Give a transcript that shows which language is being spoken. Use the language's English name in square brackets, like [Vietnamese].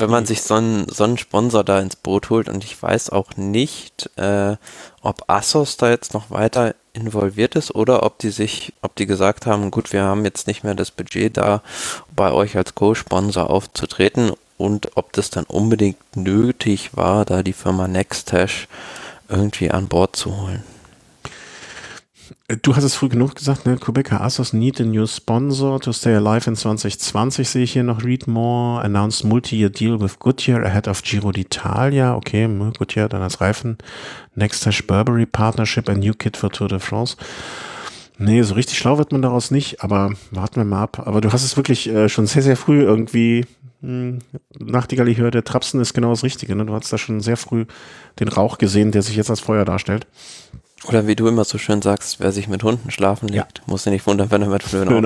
[German] Wenn man sich so einen Sponsor da ins Boot holt und ich weiß auch nicht, ob Assos da jetzt noch weiter involviert ist oder ob die gesagt haben, gut, wir haben jetzt nicht mehr das Budget da, bei euch als Co-Sponsor aufzutreten und ob das dann unbedingt nötig war, da die Firma Nextash irgendwie an Bord zu holen. Du hast es früh genug gesagt, ne? [English] Kubica Assos need a new sponsor to stay alive in 2020, [German] sehe ich hier noch. [English] Read more, announced multi-year deal with Goodyear ahead of Giro d'Italia. [German] Okay, Goodyear, dann als Reifen. [English] Nextash Burberry Partnership, a new kit for Tour de France. [German] Nee, so richtig schlau wird man daraus nicht, aber warten wir mal ab. Aber du hast es wirklich schon sehr, sehr früh irgendwie, Nachtigall, ich höre, der Trapsen ist genau das Richtige. Ne? Du hast da schon sehr früh den Rauch gesehen, der sich jetzt als Feuer darstellt. Oder wie du immer so schön sagst, wer sich mit Hunden schlafen legt, ja. Muss sich nicht wundern, wenn er mit Flöhen